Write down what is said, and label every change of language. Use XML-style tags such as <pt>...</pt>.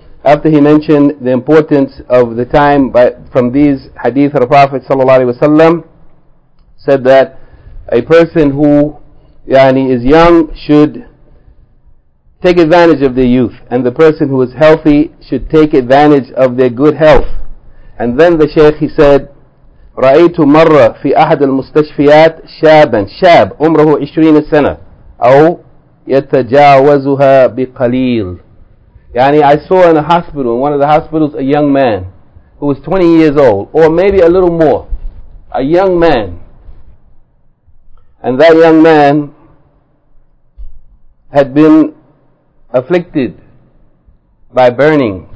<en>After he mentioned the importance of the time from these hadith of the Prophet ﷺ, said that a person who yani is young should take advantage of their youth, and the person who is healthy should take advantage of their good health. And then the Shaykh, he said,</en> <ar>رَأَيْتُ مَرَّ فِي أَحَدِ الْمُسْتَشْفِيَاتِ شَابًا شَاب عُمْرَهُ 20 سنة أو يَتَجَاوَزُهَا بِقَلِيلٍ.</ar> <en>يعني I saw in a hospital, in one of the hospitals, a young man who was 20 years old, or maybe a little more. A young man. And that young man had been afflicted by burning.</en>